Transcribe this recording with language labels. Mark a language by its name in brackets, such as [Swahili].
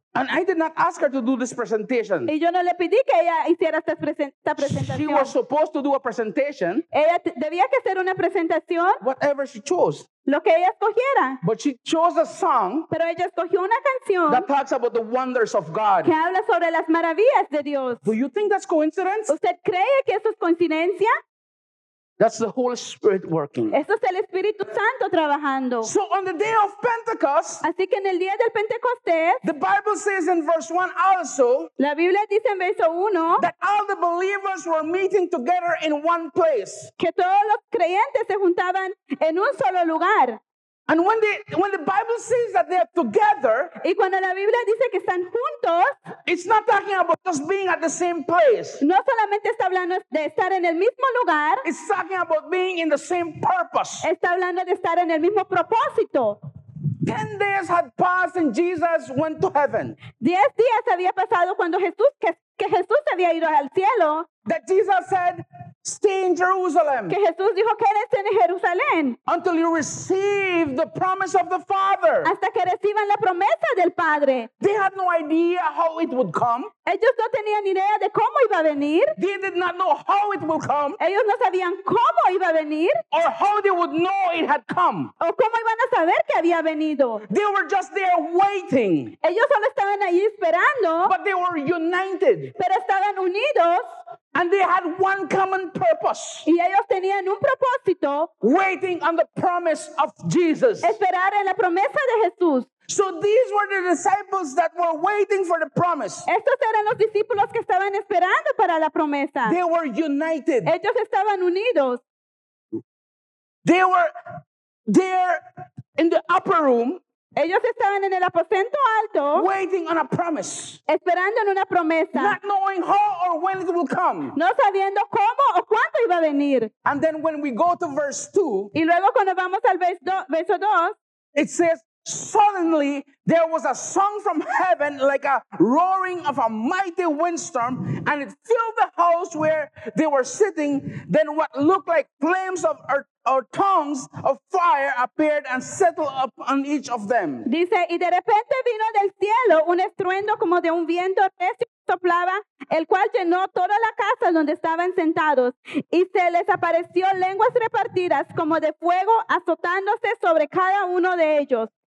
[English] And I did not ask her to do this presentation. [Spanish] Y yo no le pedí que ella hiciera esta presentación. [English] She was supposed to do a presentation. [Spanish] Ella debía que hacer una presentación. [English] Whatever she chose. [Spanish] Lo que ella escogiera. [English] But she chose a song. [Spanish] Pero ella escogió una canción. [English] That talks about the wonders of God. [Spanish] Que habla sobre las maravillas de Dios. [English] Do you think that's coincidence? [Spanish] ¿Usted cree que eso es coincidencia? [English] That's the Holy Spirit working. [Spanish] Eso es el Espíritu Santo trabajando. [English] So on the day of Pentecost, [Spanish] así que en el día del Pentecostés, [English] the Bible says in verse 1 also, [Spanish] la Biblia dice en verso 1, [English] that all the believers were meeting together in one place. [Spanish] Que todos los creyentes se juntaban en un solo lugar. [English] And when the Bible says that they are together, [Spanish] y cuando la Biblia dice que están juntos, [English] it's not talking about just being at the same place. [Spanish] No solamente está hablando de estar en el mismo lugar. [English] It's talking about being in the same purpose. [Spanish] Está hablando de estar en el mismo propósito. [English] 10 days had passed and Jesus went to heaven. [Spanish] 10 días había pasado cuando Jesús que Jesús había ido al cielo. [English] That Jesus said, stay in Jerusalem. [Spanish] Que Jesús dijo, quédese en Jerusalén. [English] Until you receive the promise of the Father. [Spanish] Hasta que reciban la promesa del Padre. [English] They had no idea how it would come. [Spanish] Ellos no tenían idea de cómo iba a venir. [English] They did not know how it would come. [Spanish] Ellos no sabían cómo iba a venir. [English] Or how they would know it had come. [Spanish] O cómo iban a saber que había venido. [English] They were just there waiting. [Spanish] Ellos solo estaban ahí esperando. [English] But they were united. [Spanish] Pero estaban unidos. [English] And they had one common purpose. [Spanish] Y ellos tenían un propósito. [English] Waiting on the promise of Jesus. [Spanish] Esperar en la promesa de Jesús. [English] So these were the disciples that were waiting for the promise. [Spanish] Estos eran los discípulos que estaban esperando para la promesa. [English] They were united. [Spanish] Ellos estaban unidos. [English] They were there in the upper room. [Spanish] Ellos estaban en el aposento alto, [English] waiting on a promise, [Spanish] esperando en una promesa, [English] not knowing how or when it will come. [Spanish] No sabiendo cómo o cuándo iba a venir. [English] And then when we go to verse 2, [Spanish] y luego cuando vamos al verso 2, [English] it says, suddenly there was a sound from heaven like a roaring of a mighty windstorm, and it filled the house where they were sitting. Then what looked like flames of earth or tongues of fire appeared and settled up on each of them. [Spanish] Dice, y de repente vino del cielo un estruendo como de un viento recio que soplaba, el cual llenó toda la casa donde estaban sentados, y se les apareció lenguas repartidas como de fuego azotándose sobre cada uno de ellos.